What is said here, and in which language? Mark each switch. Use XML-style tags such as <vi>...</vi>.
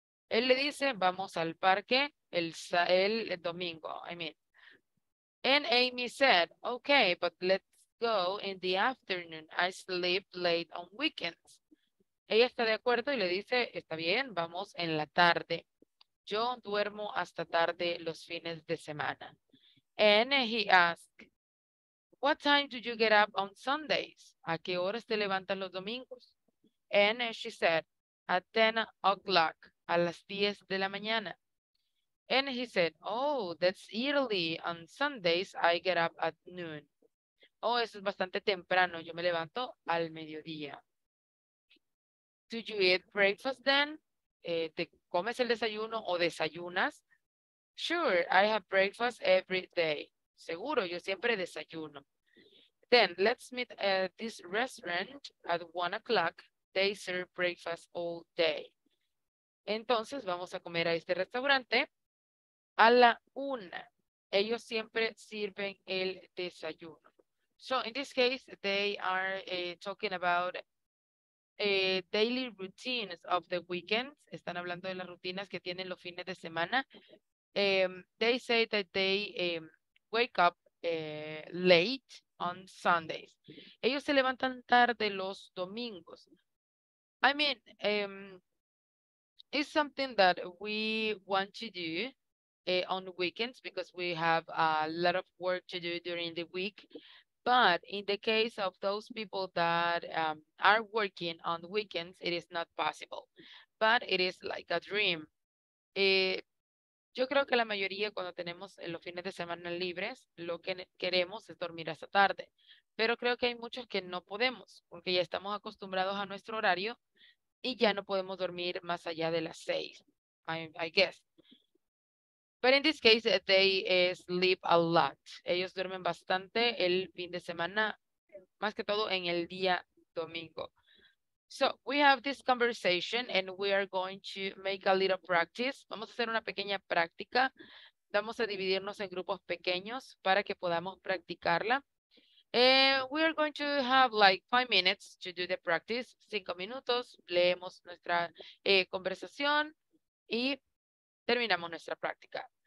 <es>Él le dice, vamos al parque el domingo,</es> <en>I mean. And Amy said, okay, but let's go in the afternoon. I sleep late on weekends.</en> <es>Ella está de acuerdo y le dice, está bien, vamos en la tarde. Yo duermo hasta tarde los fines de semana.</es> <en>And he asked, what time do you get up on Sundays?</en> <es>¿A qué horas te levantas los domingos?</es> <en>And she said, at 10 o'clock,</en> <es>a las 10 de la mañana.</es> <en>And he said, oh, that's early. On Sundays, I get up at noon.</en> <es>Oh, eso es bastante temprano. Yo me levanto al mediodía.</es> <en>Do you eat breakfast then?</en> <es>¿Te comes el desayuno o desayunas?</es> <en>Sure, I have breakfast every day.</en> <es>Seguro, yo siempre desayuno.</es> <en>Then, let's meet at this restaurant at 1 o'clock. They serve breakfast all day.</en> <es>Entonces, vamos a comer a este restaurante a la una. Ellos siempre sirven el desayuno.</es> <en>So, in this case, they are talking about daily routines of the weekends.</en> <es>Están hablando de las rutinas que tienen los fines de semana.</es> <en>They say that they wake up late on Sundays.</en> <es>Ellos se levantan tarde los domingos.</es> <en>I mean, it's something that we want to do on weekends because we have a lot of work to do during the week. But in the case of those people that are working on weekends, it is not possible. But it is like a dream.</en> <es>Yo creo que la mayoría cuando tenemos los fines de semana libres, lo que queremos es dormir hasta tarde. Pero creo que hay muchos que no podemos, porque ya estamos acostumbrados a nuestro horario y ya no podemos dormir más allá de las 6,</es> <en>I guess. But in this case, they sleep a lot.</en> <es>Ellos duermen bastante el fin de semana, más que todo en el día domingo.</es> <en>So we have this conversation and we are going to make a little practice.</en> <es>Vamos a hacer una pequeña práctica. Vamos a dividirnos en grupos pequeños para que podamos practicarla.</es> <en>We are going to have like 5 minutes to do the practice.</en> <es>5 minutos, leemos nuestra conversación y terminamos nuestra práctica.</es>